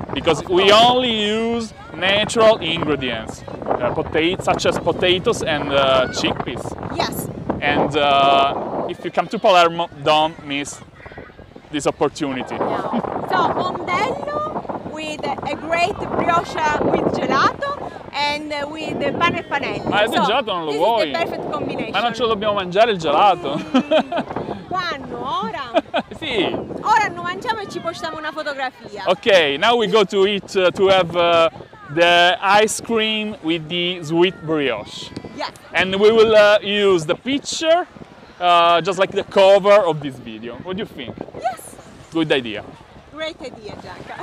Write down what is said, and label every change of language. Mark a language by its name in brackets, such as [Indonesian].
[English] Because we only use natural ingredients, such as potatoes and chickpeas. Yes. And if you come to Palermo, don't miss this opportunity. So, Mondello with a great brioche with gelato and with the pane e panelle. [Italian] Ma il gelato non lo vuoi? [English] This is the perfect combination. [Italian] Ma non ce lo dobbiamo mangiare il gelato? Quando? Ora? Sì. Ora lo mangiamo e ci postiamo una fotografia. [English] Ok, now we go to eat to have the ice cream with the sweet brioche. Yes. And we will use the picture just like the cover of this video. What do you think? Yes! Good idea. Great idea, Gianca.